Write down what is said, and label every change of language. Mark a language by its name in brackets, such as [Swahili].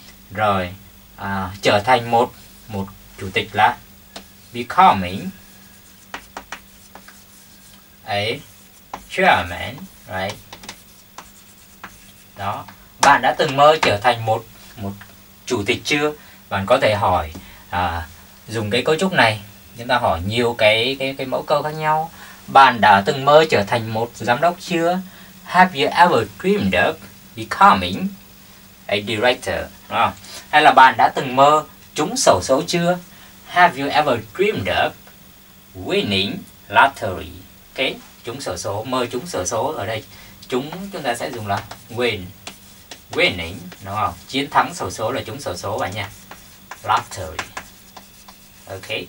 [Vietnamese] Rồi, trở thành một chủ tịch là [English] becoming a chairman, right? [Vietnamese] Đó, bạn đã từng mơ trở thành một chủ tịch chưa? Bạn có thể hỏi dùng cái cấu trúc này, chúng ta hỏi nhiều cái mẫu câu khác nhau. Bạn đã từng mơ trở thành một giám đốc chưa? [English] Have you ever dreamed of becoming a director? [Vietnamese] Hay là bạn đã từng mơ trúng sổ số chưa? [English] Have you ever dreamed of winning lottery? [Vietnamese] Ok, trúng sổ số, mơ trúng sổ số ở đây. Chúng ta sẽ dùng là win. Winning, đúng không? Chiến thắng sổ số là trúng sổ số bạn nha. Lottery. Ok.